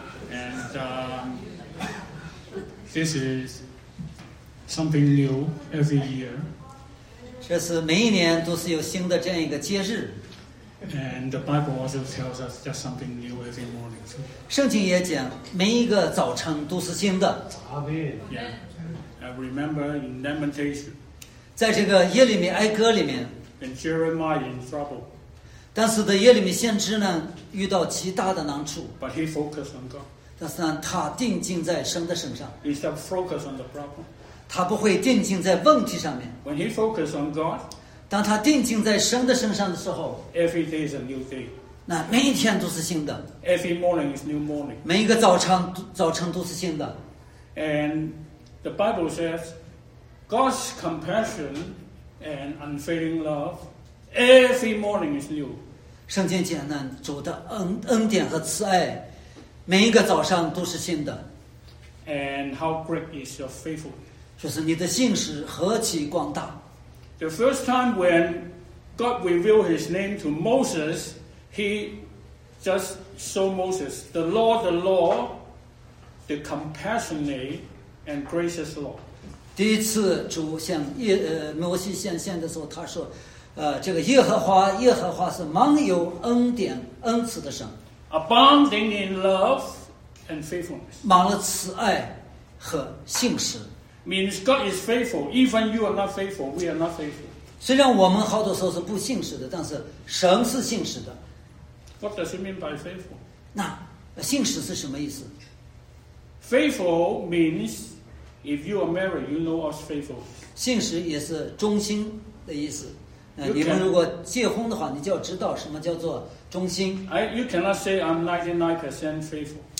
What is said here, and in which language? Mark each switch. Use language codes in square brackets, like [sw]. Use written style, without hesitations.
[en] And this is something new every year. [zh] 这是每一年都是有新的这样一个节日。 [en] And the Bible also tells us just something new every morning. [zh] 圣经也讲每一个早晨都是新的。 [en] Yeah. I remember in Lamentation. [zh] 在这个耶利米哀歌里面。 [en] And Jeremiah in trouble. [zh] 但是的耶利米先知呢遇到极大的难处。 [en] But he focused on God. [zh] 但是呢他定睛在神的身上。 [en] Instead of focus on the problem. [zh] 他不会定睛在问题上面。 [en] When he focused on God. [zh] 当他定睛在神的身上的时候 [en] Every day is a new day. [zh] 那每一天都是新的 [en] Every morning is new morning. [zh] 每一个早晨都是新的 [en] And the Bible says God's compassion and unfailing love every morning is new. [zh] 圣经讲呢主的 恩典和慈爱每一个早上都是新的 [en] And how great is your faithfulness. [zh] 就是你的信实何其广大 [en] The first time when God revealed his name to Moses, he just showed Moses, the Lord, the compassionate and gracious Lord. [zh] 第一次主向摩西显现的时候他说这个耶和华是满有恩典恩慈的神。 [en] Abounding in love and faithfulness. [zh] 满了慈爱和信实。 [en] Means God is faithful. Even you are not faithful, we are not faithful. [zh] 虽然我们好多时候是不信实的，但是神是信实的。 [en] What does it mean by faithful? [zh] 那信实是什么意思 [en] ？Faithful means if you are married, you know us faithful. [zh] 信实也是忠心的意思。你们如果结婚的话，你就要知道什么叫做忠心。 [en] You cannot say I'm 99% faithful.